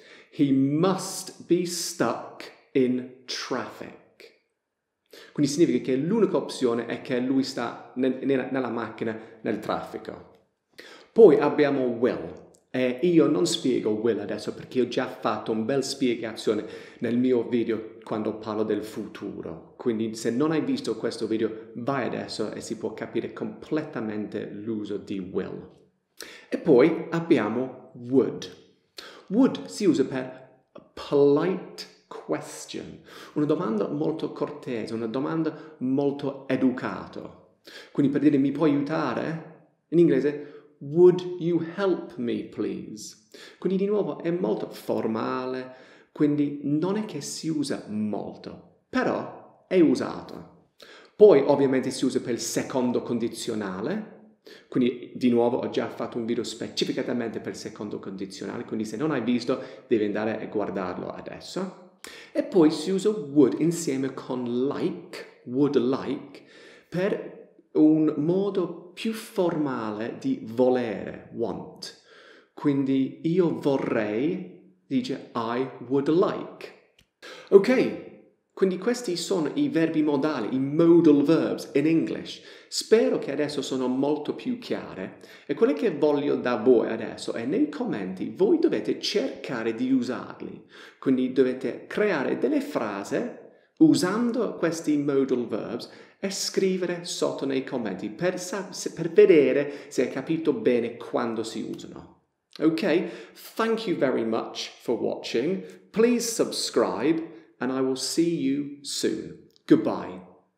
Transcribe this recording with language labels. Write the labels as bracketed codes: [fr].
[en] He must be stuck in traffic. [it] Quindi significa che l'unica opzione è che lui sta nella macchina, nel traffico. Poi abbiamo will. E io non spiego will adesso perché ho già fatto un bel spiegazione nel mio video quando parlo del futuro. Quindi se non hai visto questo video, vai adesso e si può capire completamente l'uso di will. E poi abbiamo would. Would si usa per [en] polite question, [it] una domanda molto cortese, una domanda molto educata. Quindi per dire mi puoi aiutare? In inglese, [en] would you help me please? [it] Quindi di nuovo è molto formale, quindi non è che si usa molto, però è usato. Poi ovviamente si usa per il secondo condizionale, quindi di nuovo ho già fatto un video specificatamente per il secondo condizionale, quindi se non hai visto devi andare a guardarlo adesso. E poi si usa would insieme con like, would like, per un modo più formale di volere, want. Quindi io vorrei, dice [en] I would like. [it] Ok, quindi questi sono i verbi modali, i [en] modal verbs in English. [it] Spero che adesso sono molto più chiare. E quello che voglio da voi adesso è nei commenti, voi dovete cercare di usarli. Quindi dovete creare delle frasi usando questi modal verbs e scrivere sotto nei commenti per vedere se hai capito bene quando si usano. Ok? [en] Thank you very much for watching. Please subscribe. And I will see you soon. Goodbye.